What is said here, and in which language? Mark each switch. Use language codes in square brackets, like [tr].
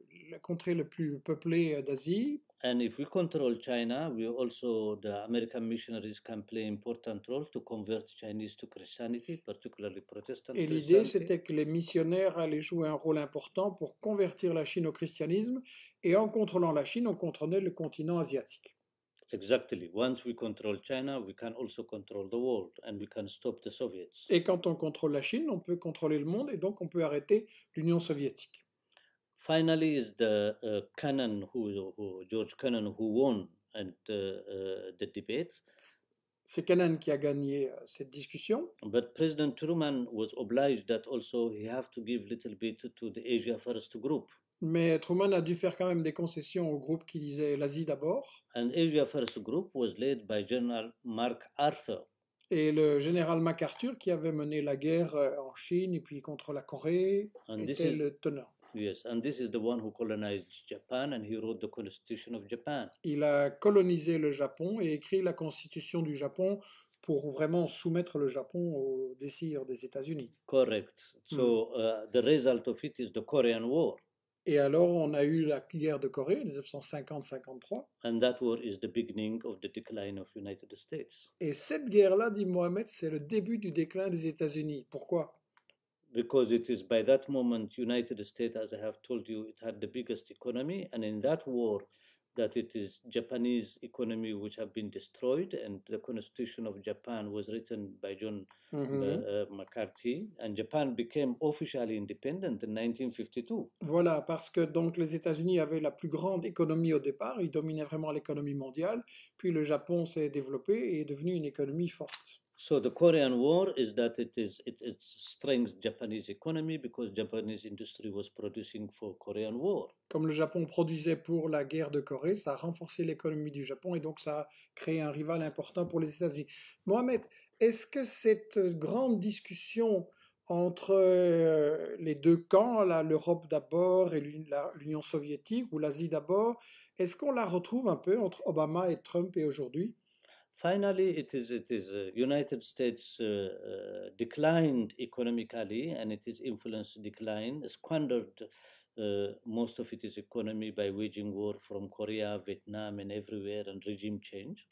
[fr] La contrée la plus peuplée d'Asie. [en] And if we control China, we also the American missionaries can play an important role to convert Chinese to Christianity, particularly Protestant. [fr] Et l'idée c'était que les missionnaires allaient jouer un rôle important pour convertir la Chine au christianisme, et en contrôlant la Chine, on contrôlait le continent asiatique. [en] Exactly. Once we control China, we can also control the world, and we can stop the Soviets. [fr] Et quand on contrôle la Chine, on peut contrôler le monde, et donc on peut arrêter l'Union soviétique. [en] Finally, is the Cannon who George Cannon who won and the debate. [fr] C'est Cannon qui a gagné cette discussion. [en] But President Truman was obliged that also he have to give little bit to the Asia First group. [fr] Mais Truman a dû faire quand même des concessions au groupe qui disait l'Asie d'abord. [en] And Asia First group was led by General MacArthur. [fr] Et le général MacArthur qui avait mené la guerre en Chine et puis contre la Corée [en] and [fr] était le tenant. [en] Yes, and this is the one who colonized Japan, and he wrote the Constitution of Japan. [fr] Il a colonisé le Japon et écrit la Constitution du Japon pour vraiment soumettre le Japon aux désirs des États-Unis. [en] Correct. So the result of it is the Korean War. [fr] Et alors on a eu la guerre de Corée, 1950-53. [en] And that war is the beginning of the decline of United States. [fr] Et cette guerre-là, dit Mohamed, c'est le début du déclin des États-Unis. Pourquoi? [en] Because it is by that moment United States, as I have told you, it had the biggest economy, and in that war, that it is Japanese economy which have been destroyed, and the Constitution of Japan was written by John McCarthy, and Japan became officially independent in 1952. [fr] Voilà, parce que donc les États-Unis avaient la plus grande économie au départ, ils dominaient vraiment l'économie mondiale, puis le Japon s'est développé et est devenu une économie forte. [en] So the Korean War is that it strengthens Japanese economy because Japanese industry was producing for Korean War. [fr] Comme le Japon produisait pour la guerre de Corée, ça a renforcé l'économie du Japon et donc ça a créé un rival important pour les États-Unis. Mohamed, est-ce que cette grande discussion entre les deux camps, l'Europe d'abord et l'Union soviétique ou l'Asie d'abord, est-ce qu'on la retrouve un peu entre Obama et Trump et aujourd'hui? [en] Finally, it is United States declined economically, and it is influence decline, squandered most of its economy by waging war from Korea, Vietnam, and everywhere, and regime change.